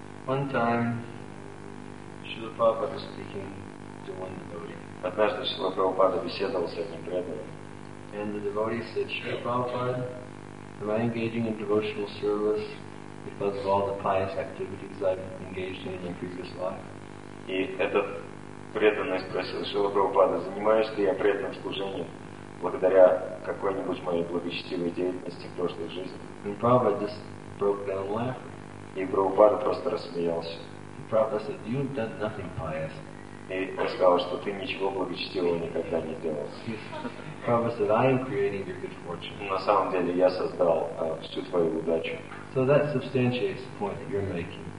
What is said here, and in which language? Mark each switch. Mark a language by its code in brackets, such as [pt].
[en] One time, Śrīla Prabhupāda was speaking to one devotee. [ru] Однажды Śrīla Prabhupāda беседовал с одним преданным. [en] And the devotee said, Śrīla Prabhupāda, am I engaging in devotional service because of all the pious activities I've engaged in my previous life? [ru] И этот преданный спросил Śrīla Prabhupāda, занимаюсь ли я преданным служением благодаря какой-нибудь моей благочестивой деятельности в прошлой жизни? [en] And Prabhupāda just broke down laughing. [ru] И Прабхупада просто рассмеялся. [en] Prabhupada said, you've done nothing pious. [ru] И он сказал, что ты ничего благочестивого никогда не делал. [en] Prabhupada said, I am creating your good fortune. [ru] На самом деле я создал всю твою удачу. [en] So that substantiates the point that you're making.